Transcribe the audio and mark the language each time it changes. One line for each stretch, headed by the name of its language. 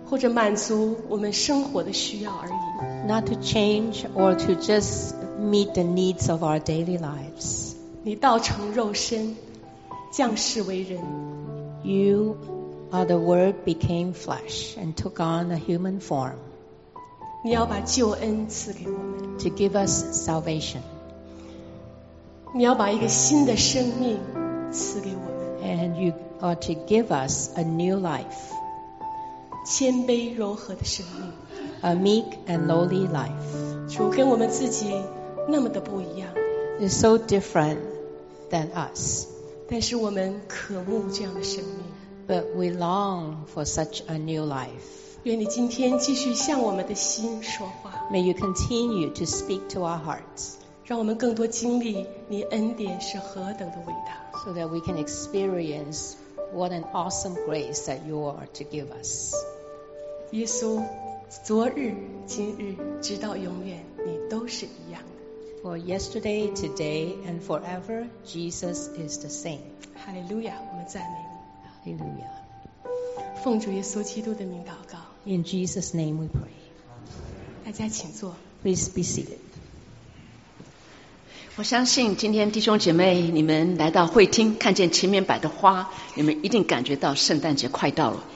Chinese: 满足我们生活的需要而已。
English: Not to change or to just meet the needs of our daily lives.
Chinese: 你道成肉身，降世为人。
English: You are the Word became flesh and took on a human form.
Chinese: 你要把救恩赐给我们。
English: To give us salvation.
Chinese: 你要把一个新的生命赐给我们。
English: And you are to give us a new life.
Chinese: 谦卑柔和的生命
English: ，a meek and lowly life。
Chinese: 主跟我们自己那么的不一样
English: ，is so different than us。
Chinese: 但是我们渴慕这样的生命
English: ，but we long for such a new life。
Chinese: 愿你今天继续向我们的心说话
English: ，may you continue to speak to our hearts。
Chinese: 让我们更多经历你恩典是何等的伟大
English: ，so that we can experience what an awesome grace that you are to give us。
Chinese: 耶稣，昨日、今日、直到永远，你都是一样的。
English: For yesterday, today, and forever, Jesus is the same.
Chinese: Hallelujah, 我们赞美你。
English: Hallelujah.
Chinese: 奉主耶稣基督的名祷告。
English: In Jesus' name, we pray.
Chinese: 大家请坐。
English: Please be seated.
Chinese: 我相信今天弟兄姐妹，你们来到会厅，看见前面摆的花，你们一定感觉到圣诞节快到了。